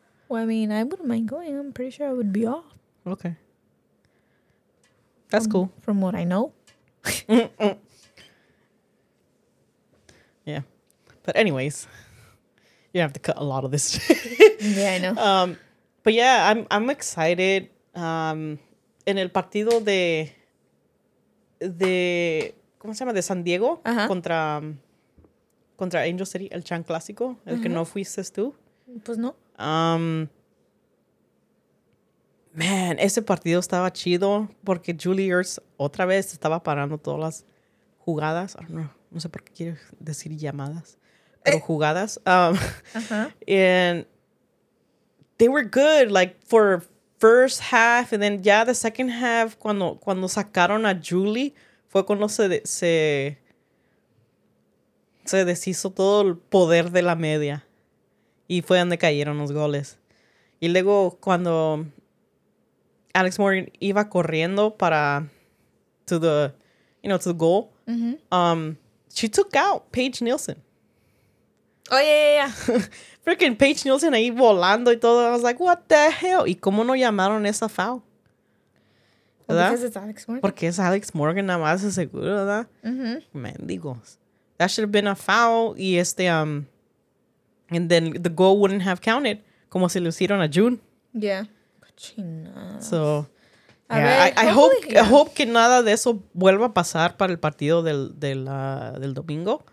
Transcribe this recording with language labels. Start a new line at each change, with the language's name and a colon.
English: Well, I mean, I wouldn't mind going. I'm pretty sure I would be off. Okay. That's cool. From what I know. Yeah, but anyways, you have to cut a lot of this. Yeah, I know. But yeah, I'm excited.
Spanish: En el partido de ¿cómo se llama? De San Diego contra Angel City, el Chan Clásico, el que no fuiste tú. Pues no. Man, ese partido estaba chido porque Julie Ertz otra vez estaba parando todas las jugadas. Oh, no sé por qué quiere decir llamadas, pero jugadas.
English: And they were good, like, for first half. And then, yeah, the second half,
Spanish: cuando sacaron a Julie, fue cuando se deshizo todo el poder de la media. Y fue donde cayeron los goles. Y luego, cuando... Alex Morgan iba corriendo para
English: to the goal. Mm-hmm. She took out Paige Nielsen. Oh, yeah. Freaking Paige Nielsen
Spanish: ahí volando y todo.
English: I was like, what the hell?
Spanish: ¿Y cómo no llamaron esa foul? ¿Verdad?
English: Because it's Alex Morgan.
Spanish: Porque es Alex Morgan nada más, seguro, ¿verdad? Mm-hmm. Mendigos.
English: That should have been a foul. Y and then the goal wouldn't have counted.
Spanish: Como se lo hicieron a June.
English: Yeah. So, I hope
Spanish: que nada de eso vuelva a pasar para el partido del domingo.